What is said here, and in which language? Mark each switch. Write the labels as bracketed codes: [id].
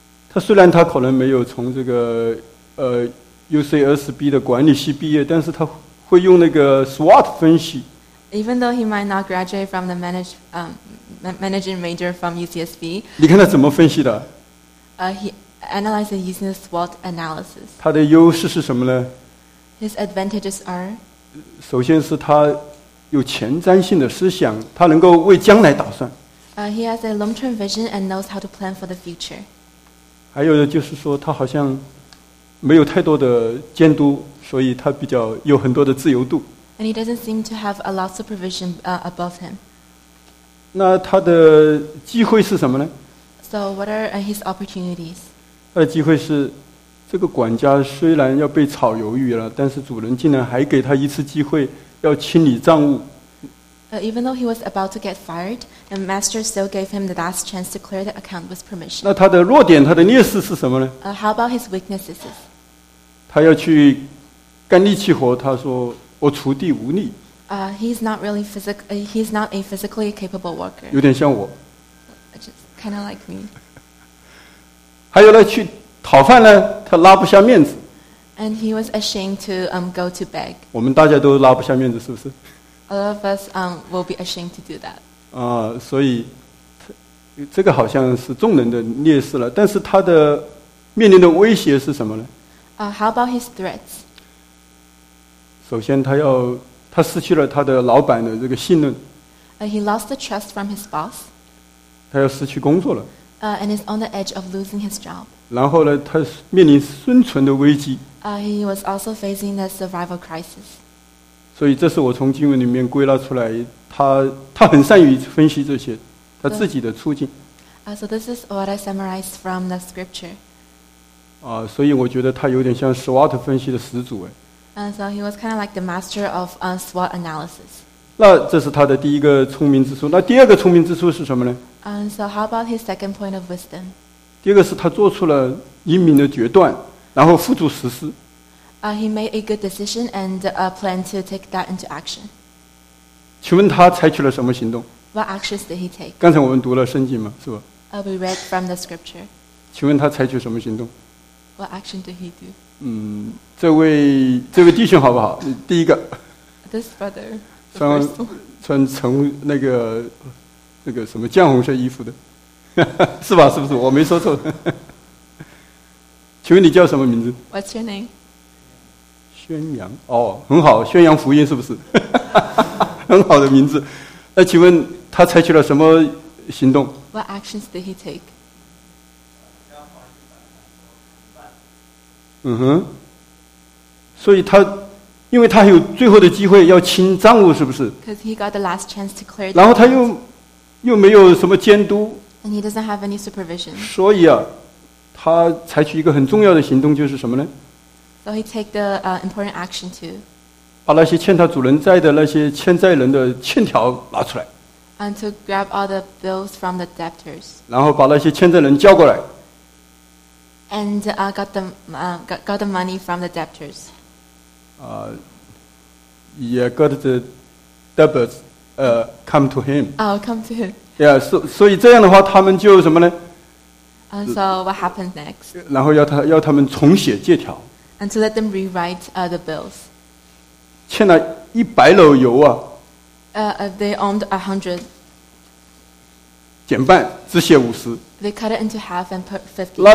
[zh] 他虽然他可能没有从这个UCSB 的管理系毕业，但是他会用那个 SWOT 分析。 [en] Even though he might not graduate from the managing major from UCSB, [zh] 你看他怎么分析的？ [en] He analyzes using the SWOT analysis. [zh] 他的优势是什么呢 [en] ？His advantages are. [zh] 首先是他有前瞻性的思想，他能够为将来打算。 [en] He has a long-term vision and knows how to plan for the future. [zh] 还有就是说他好像没有太多的监督，所以他比较有很多的自由度。 [en] And he doesn't seem to have a lot of supervision above him. [zh] 那他的机会是什么呢 [en] ？So what are his opportunities? [zh] 他的机会是，这个管家虽然要被炒鱿鱼了，但是主人竟然还给他一次机会要清理账务。 [en] Even though he was about to get fired, the master still gave him the last chance to clear the account with permission. [zh] 那他的弱点，他的劣势是什么呢？ [en] How about his weaknesses? [zh] 他要去干力气活，他说我锄地无力。 [en] He's not a physically capable worker. [zh] 有点像我。 [en] Just kind of like me. [zh] 还有呢，去讨饭呢，他拉不下面子。 [en] And he was ashamed to go to beg. [zh] 我们大家都拉不下面子，是不是？ [en] A lot of us will be ashamed to do that. [zh] 所以这个好像是众人的劣势了。但是他的面临的威胁是什么呢？ [en] How about his threats? [zh] 首先，他失去了他的老板的这个信任。 [en] He lost the trust from his boss. [zh] 他要失去工作了。 [en] And he's on the edge of losing his job. [zh] 然后呢，他面临生存的危机。 [en] He was also facing the survival crisis. [zh] 所以这是我从经文里面归纳出来，他很善于分析这些，他自己的处境。 [en] So this is what I summarized from the scripture. [zh] 所以我觉得他有点像 SWOT 分析的始祖哎。 [en] So he was kind of like the master of SWOT analysis. [zh] 那这是他的第一个聪明之处，那第二个聪明之处是什么呢？ [en] So how about his second point of wisdom? [zh] 第二个是他做出了英明的决断，然后付诸实施。 [en] He made a good decision and planned to take that into action. [zh] 请问他采取了什么行动 [en] ？What actions did he take? [zh] 刚才我们读了圣经嘛，是吧 [en] ？We read from the scripture. [zh] 请问他采取什么行动 [en] ？What action did he do? [zh] 这位弟兄好不好？第一个。 [en] This brother. [zh] 穿成那个什么绛红色衣服的，是吧？是不是？我没说错。请问你叫什么名字 [en] ？What's your name? [zh] 宣扬哦，很好，宣扬福音是不是？很好的名字。那请问他采取了什么行动 [en] ？What actions did he take？ [zh] 嗯哼，所以他，因为他有最后的机会要清账务，是不是 [en] ？Because he got the last chance to clear. [zh] 然后他又没有什么监督 [en] ，and he doesn't have any supervision. [zh] 所以啊，他采取一个很重要的行动，就是什么呢？ [en] So he take the important action to [zh] 把那些欠他主人债的那些欠债人的欠条拿出来 [en] and to grab all the bills from the debtors [zh] 然后把那些欠债人叫过来 [en] and got the money from the debtors yeah got the debtors come to him come to him yeah so [zh] 以这样的话他们就什么呢 [en] and so what happens next [zh] 然后要他们重写借条 [en] And to let them rewrite the bills. [zh] 欠了一百篓油啊。 [en] They owned 100. [zh] 减半，只写50。 [en] They cut it into half and put 50.